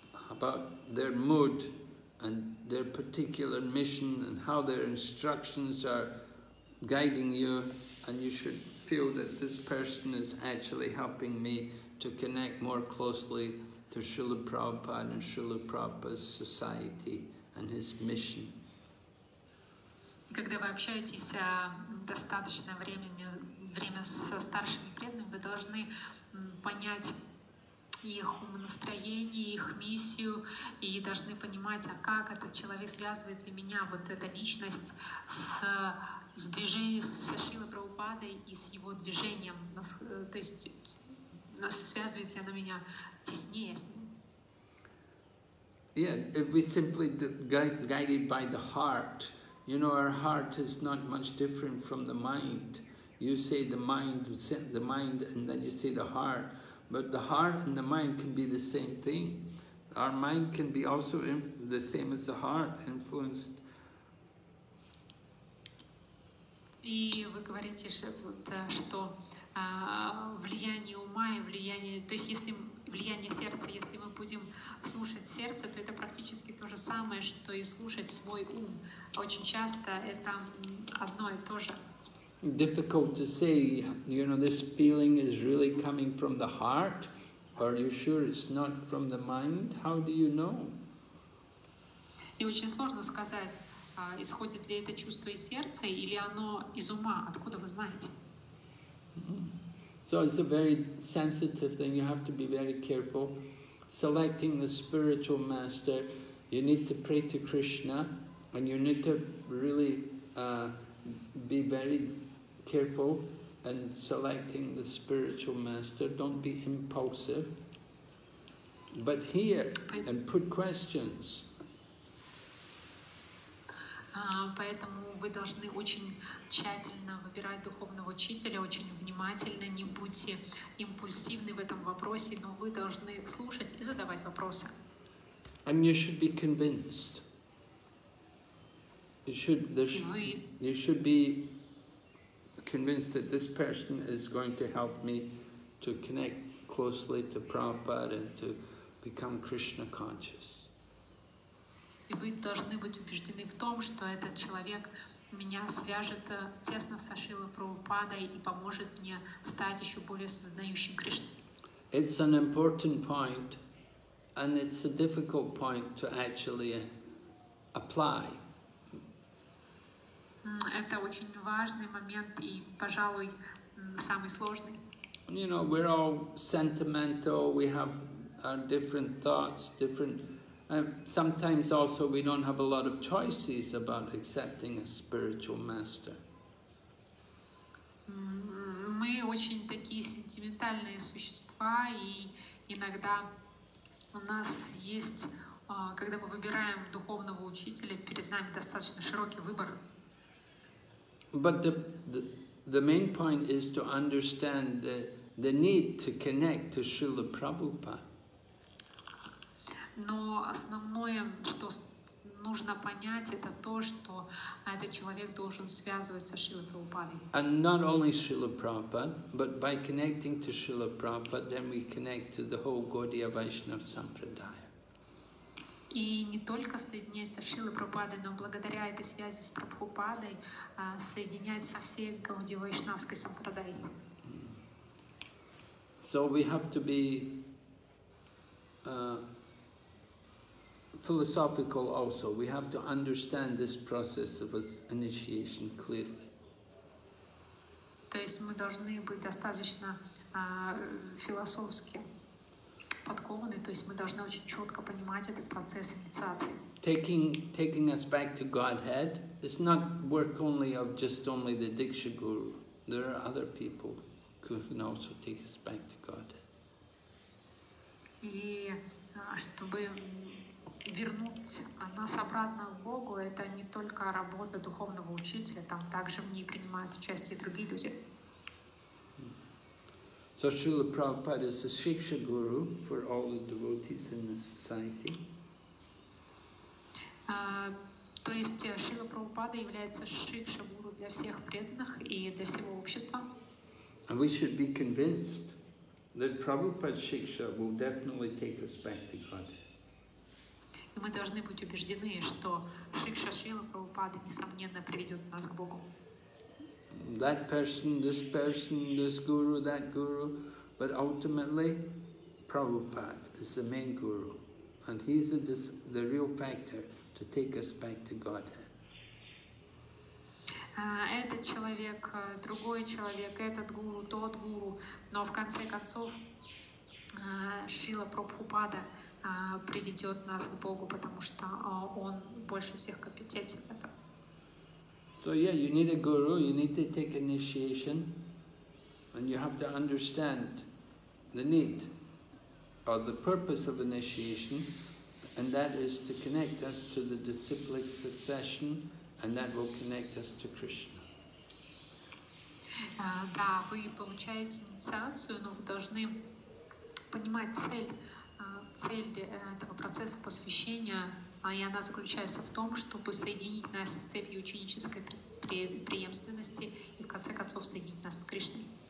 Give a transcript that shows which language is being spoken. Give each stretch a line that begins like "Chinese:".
English: about their mood and their particular mission and how their instructions are guiding you, and you should feel that this person is actually helping me to connect more closely to Srila Prabhupada and Srila Prabhupada's society and his mission.
Russian: Когда вы общаетесь достаточно время со старшими преданными, вы должны понять их настроение, их миссию, и должны понимать, а как этот человек связывает для меня вот эта личность с движением со Шрилы Прабхупадой и с его движением, то есть связывает ли она меня теснее с ним?
English: Yeah, if we simply guided by the heart, you know, our heart is not much different from the mind. You say the mind, and then you say the heart, but the heart and the mind can be the same thing. Our mind can be also the same as the heart, influenced.
Russian: И вы говорите, что влияние ума и влияние, то есть если влияние сердца, если мы будем слушать сердце, то это практически то же самое, что и слушать свой ум. Очень часто это одно и то же.
English: Difficult to say, you know, this feeling is really coming from the heart. Are you sure it's not from the mind? How do you know?
Russian: И очень сложно сказать, исходит ли это чувство из сердца или оно из ума. Откуда вы знаете?
English: So it's a very sensitive thing. You have to be very careful selecting the spiritual master. You need to pray to Krishna, and you need to really be very careful in selecting the spiritual master. Don't be impulsive, but hear and put questions.
Russian: Поэтому вы должны очень тщательно выбирать духовного учителя, очень внимательно, не будьте импульсивны в этом вопросе, но вы должны слушать и задавать вопросы.
English: And you should be convinced. You should be convinced that this person is going to help me to connect closely to Prabhupada and to become Krishna conscious.
Russian: И вы должны быть убеждены в том, что этот человек меня свяжет тесно со Шрилой Прабхупадой и поможет мне стать еще более сознающим Кришной.
English: It's an important point, and it's a difficult point to actually apply.
Russian: Это очень важный момент и, пожалуй, самый сложный.
English: You know, we're all sentimental, we have our different thoughts, different... sometimes also we don't have a lot of choices about accepting a spiritual master.
Russian: Мы очень такие сентиментальные существа, и иногда у нас есть, когда мы выбираем духовного учителя, перед нами достаточно широкий выбор.
English: But the main point is to understand the need to connect to Srila Prabhupada.
Russian: Но основное, что нужно понять, это то, что этот человек должен связываться с Шрилой Прабхупадой.
English: And not only Srila Prabhupada, but by connecting to Srila Prabhupada, then we connect to the whole Gaudiya Vaishnava Sampradaya.
Russian: И не только соединяется с Шрилой Прабхупадой, но благодаря этой связи с Прабхупадой соединяется со всей Гаудия Вайшнавской Сампрадаей.
English: So we have to be philosophical also. We have to understand this process of initiation clearly.
Russian: То есть мы должны быть достаточно философски подкованы, то есть мы должны очень четко понимать этот процесс инициации.
English: Taking us back to Godhead, it's not work only of just only the Diksha Guru. There are other people who can also take us back to God.
Russian: И чтобы вернуть нас обратно к Богу, это не только работа духовного учителя, там также в ней принимают участие другие люди.
English: So Srila Prabhupada is a Shiksha Guru for all the devotees in the society.
Russian: То есть Шрила Прабхупада является Шикша Гуру для всех преданных и для всего общества.
English: And we should be convinced that Prabhupada's Shiksha will definitely take us back to God.
Russian: И мы должны быть убеждены, что Шикша Шрила Прабхупада несомненно приведет нас к Богу.
English: That person, this guru, that guru, but ultimately Prabhupada is the main guru, and he's the real factor to take us back to Godhead.
Russian: Этот человек, другой человек, этот гуру, тот гуру, но в конце концов Шрила Прабхупада приведет нас к Богу, потому что он больше всех компетентен в этом.
English: So yeah, you need a guru, you need to take initiation, and you have to understand the need or the purpose of initiation, and that is to connect us to the disciplic succession. And that will connect us to Krishna.
Russian: Да, вы получаете инициацию, но вы должны понимать цель этого процесса посвящения, и она заключается в том, чтобы соединить нас с цепью ученической преемственности и в конце концов соединить нас с Кришной.